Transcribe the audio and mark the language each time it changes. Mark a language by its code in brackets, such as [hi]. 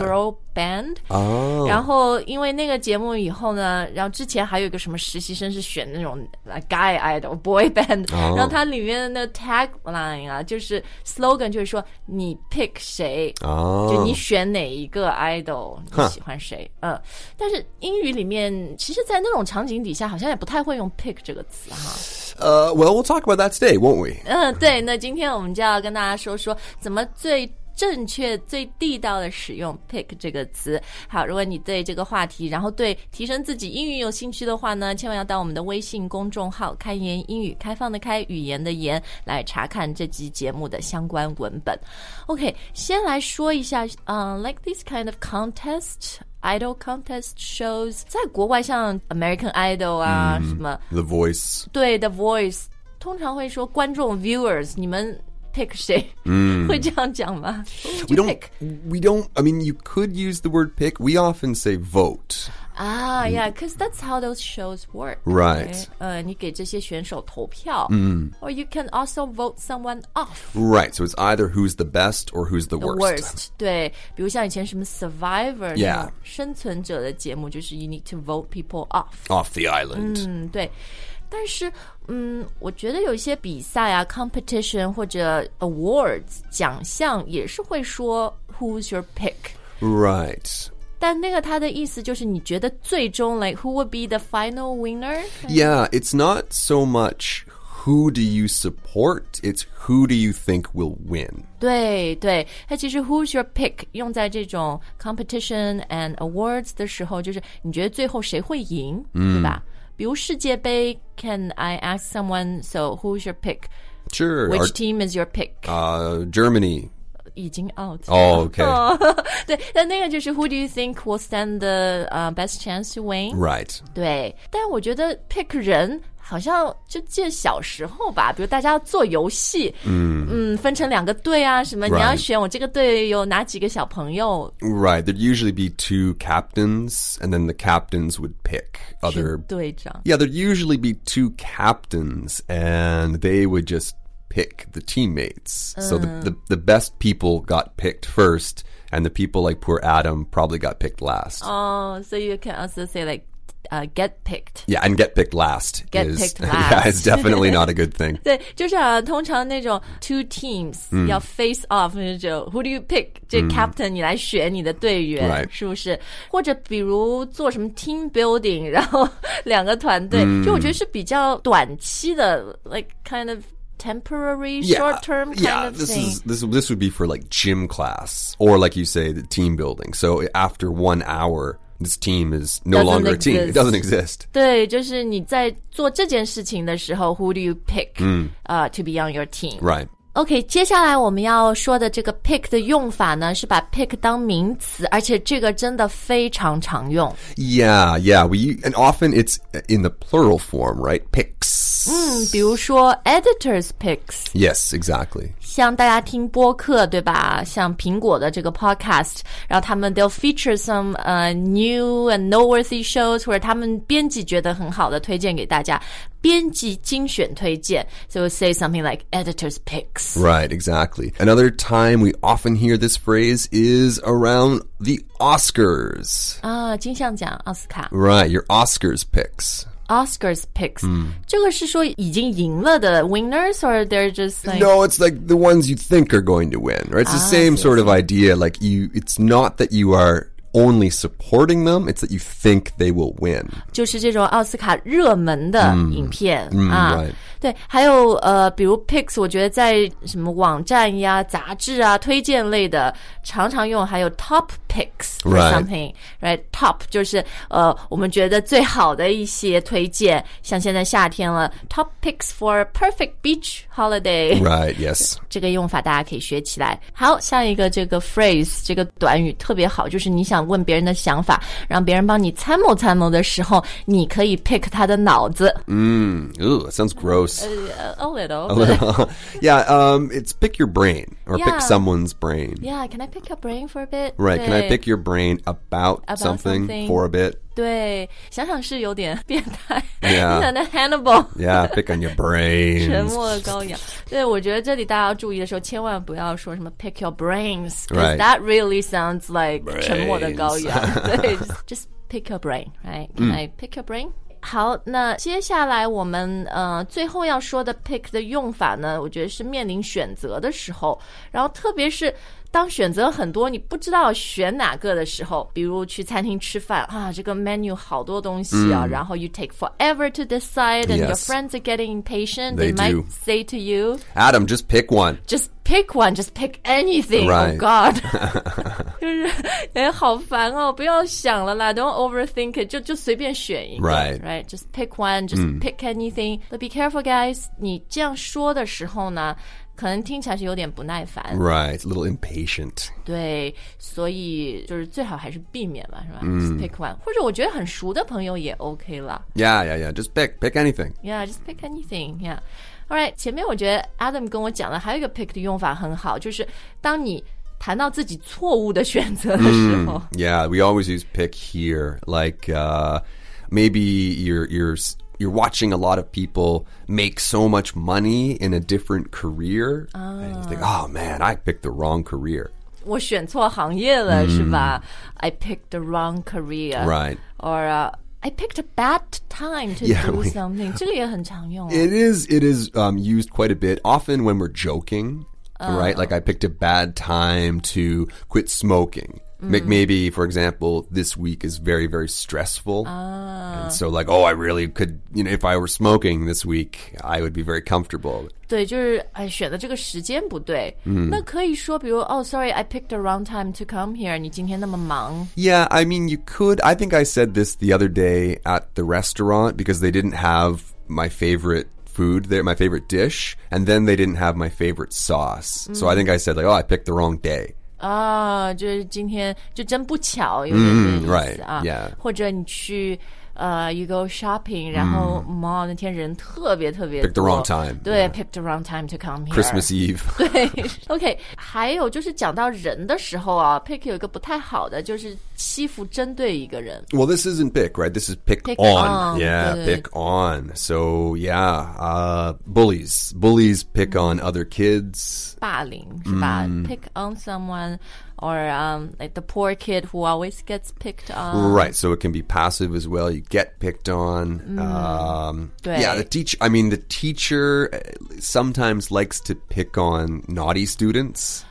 [zh] girl band、然后因为那个节目以后呢，然后之前还有一个什么实习生是选那种 guy idol boy band、然后它里面的那个 tagline 啊，就是 slogan 就是说你 pick 谁、就你选哪一个 idol 你喜欢谁、但是英语里面其实在那种场景底下好像也不太会用 pick 这个词哈。 [en] Well, we'll talk about that today, won't we? [zh] 对，那今天我们就要跟大家说说怎么最正确、最地道的使用 pick 这个词。好，如果你对这个话题，然后对提升自己英语有兴趣的话呢，千万要到我们的微信公众号“开言英语”，开放的开，语言的言，来查看这期节目的相关文本。 [en] OK, 先来说一下，like this kind of contest. [zh] Idol contest shows 在国外像 American Idol 啊、什么 [en] The Voice [zh] 对 The Voice 通常会说观众 viewers 你们 pick 谁、会这样讲吗 [en] We don't I mean you could use the word pick we often say vote yeah because that's how those shows work right [zh] 你给这些选手投票、 [en] or you can also vote someone off right so it's either who's the best or who's the worst [zh] 对比如像以前什么 Survivor [en] yeah [zh] 生存者的节目就是 [en] you need to vote people off off the island [zh] 对但是我觉得有一些比赛啊 competition 或者 awards 奖项也是会说 who's your pick [en] right [zh] 但那个他的意思就是你觉得最终 [en] like who would be the final winner? Yeah, it's not so much who do you support, it's who do you think will win. [zh] 对对他其实 who's your pick 用在这种 competition and awards 的时候就是你觉得最后谁会赢、对吧比如世界杯 can I ask someone, [en] so who's your pick? Sure. Which team is your pick?、 Germany. [zh] 已经 out [en] 了 oh, okay. Oh, 对那个就是 who do you think will stand the、best chance to win? Right. [zh] 对但我觉得 pick 人好像就借小时候吧比如大家要做游戏、分成两个队啊什么、 [en] right. [zh] 你要选我这个队有哪几个小朋友。 [en] Right, there'd usually be two captains and then the captains would pick other... [zh] 队长。 [en] Yeah, there'd usually be two captains and they would justpick the teammates. So the best people got picked first, and the people like poor Adam probably got picked last. Oh, so you can also say like, get picked. Yeah, and get picked last. Get is, picked last. Yeah, it's definitely not a good thing. [zh] 对就是、通常那种 two teams 要 face off, 那就 who do you pick? 这 captain 你来选你的队员、是不是或者比如做什么 team building, 然后两个团队、就我觉得是比较短期的 [en] like kind ofTemporary, short-term kind of thing. Yeah, this would be for like gym class or like you say, the team building. So after 1 hour, this team is no longer a team. It doesn't exist. [zh] 对，就是你在做这件事情的时候 who do you pick、to be on your team? [en] Right. [zh] OK, 接下来我们要说的这个 pick 的用法呢是把 pick 当名词而且这个真的非常常用。 [en] Yeah, yeah. And often it's in the plural form, right? Picks. [zh] 比如说 editor's picks. [en] Yes, exactly. [zh] 像大家听播客对吧像苹果的这个 podcast, 然后他们 they'll feature some、new and noteworthy shows, 或者他们编辑觉得很好的推荐给大家。 [en] 编辑精选推荐 So we'll say something like editor's picks. Right, exactly. Another time we often hear this phrase is around the Oscars. [zh] 啊、金像奖奥斯卡。 [en] Right, your Oscars picks. Oscars picks、这个是说已经赢了的 winners or they're just like No, it's like the ones you think are going to win right? It's the same sort of idea like you, it's not that you are only supporting them it's that you think they will win [zh] 就是这种奥斯卡热门的影片、 [en] right. [zh] 对，还有比如 picks， 我觉得在什么网站呀、杂志啊、推荐类的常常用，还有 top picks or something， right？ Top 就是我们觉得最好的一些推荐，像现在夏天了 ， [en] top picks for a perfect beach holiday， right？ Yes， [zh] 这个用法大家可以学起来。好，下一个这个 phrase 这个短语特别好，就是你想问别人的想法，让别人帮你参谋参谋的时候，你可以 pick 他的脑子。 [en] Sounds gross. A little. Yeah, it's pick your brain or pick someone's brain. Yeah, can I pick your brain for a bit? Right, can I pick your brain about something for a bit? [zh] 对，想想是有点变态。 [en] Yeah. [zh] 你想那 Hannibal. [en] Yeah, pick on your brain. [zh] 沉默羔羊。对，我觉得这里大家要注意的时候，千万不要说什么 pick your brains. [en] Right. That really sounds like 沉默的羔羊。 对，just pick your brain, right? Can I pick your brain? [zh] 好，那接下来我们最后要说的 pick 的用法呢，我觉得是面临选择的时候，然后特别是当选择很多你不知道选哪个的时候，比如去餐厅吃饭啊，这个 menu 好多东西啊，然后 [en] you take forever to decide and your friends are getting impatient, they might say to you, Adam, just pick one. Just pick anything. Right. Oh God. [zh] 就是哎，好烦哦，不要想了啦， [en] don't overthink it, [zh] 就随便选一个。 [en] Right. Just pick one, just pick anything. But be careful, guys, [zh] 你这样说的时候呢，可能听起来是有点不耐烦。 [en] Right, a little impatient. [zh] 对，所以就是最好还是避免吧，是吧？ [en] Just pick one. [zh] 或者我觉得很熟的朋友也 OK 了。 [en] Yeah. Just pick anything. Yeah, just pick anything. Yeah. [zh] All right, 前面我觉得 Adam 跟我讲了还有一个 pick 的用法很好，就是当你谈到自己错误的选择的时候。 [en] Yeah, we always use pick here. Like, maybe you're watching a lot of people make so much money in a different career. And you think, oh man, I picked the wrong career. [zh] 我选错行业了是吧？ [en] I picked the wrong career. Right. Or I picked a bad time to do something. [zh] 这个也很常用。 [en] It is used quite a bit, often when we're joking, right? Like I picked a bad time to quit smoking. Maybe, for example, this week is very, very stressful. And so like, oh, I really could, you know, if I were smoking this week, I would be very comfortable. [zh] 对，就是哎，选的这个时间不对。 [en] 那可以说比如 oh, sorry, I picked the wrong time to come here. [zh] 你今天那么忙。 [en] Yeah, I mean, you could. I think I said this the other day at the restaurant because they didn't have my favorite food there, my favorite dish. And then they didn't have my favorite sauce. So I think I said like, oh, I picked the wrong day. [zh] 就是今天就真不巧，有点意思啊。 [en] Right, [zh] 或者你去 [en] you go shopping, [zh] 然后那天人特别特别多。 [en] Pick the wrong time. 对、picked the wrong time to come here. Christmas Eve. [zh] 对 ，OK， 还有就是讲到人的时候啊 ，pick 有一个不太好的，就是欺负针对一个人。 [en] Well, this isn't pick, right? This is pick on. Yeah, pick on. So yeah, bullies pick on other kids. [zh] 霸凌是吧 [en] ？Pick on someone. Or like the poor kid who always gets picked on. Right, so it can be passive as well. You get picked on. The teacher sometimes likes to pick on naughty students.